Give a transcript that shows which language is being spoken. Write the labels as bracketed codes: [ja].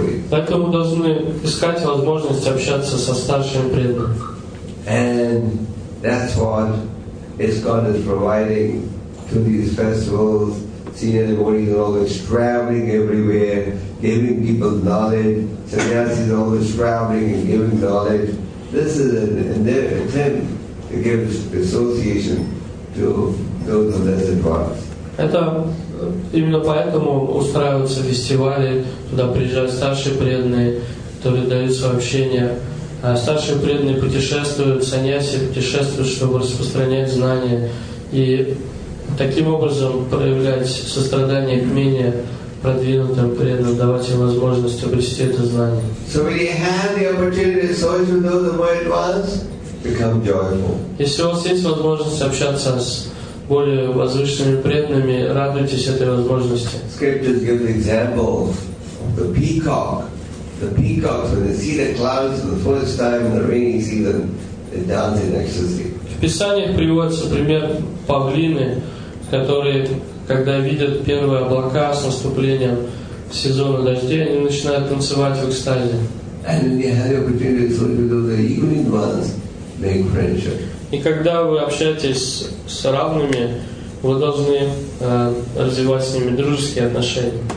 [ru] Поэтому должны искать возможность общаться со старшими преданными. [en] And that's what ISKCON is providing to these festivals. Senior devotees are always traveling everywhere, giving people knowledge. Sannyasis are always traveling and giving knowledge. This is an attempt to give association to those who are less advanced. [ru] Именно поэтому устраиваются фестивали, туда приезжают старшие преданные, которые дают свое общение. Старшие преданные путешествуют, саньяси путешествуют, чтобы распространять знания и таким образом проявлять сострадание к менее продвинутым преданным, давать им возможность обрести это знание. [en] So when you have the opportunity to associate with those more advanced, become joyful. [ru] Если у вас есть возможность общаться с более возвышенными преданными, радуйтесь этой возможности. [en] Scriptures give the example of the peacock. The peacocks, when they see the clouds for the first time in the rainy season, they dance in ecstasy. [ru] В Писаниях приводится пример павлины, которые, когда видят первые облака с наступлением сезона дождей, они начинают танцевать в экстазе. [en] And when you have the opportunity to sleep with the evening ones, make friendship. [ru] И когда вы общаетесь с равными, вы должны развивать с ними дружеские отношения.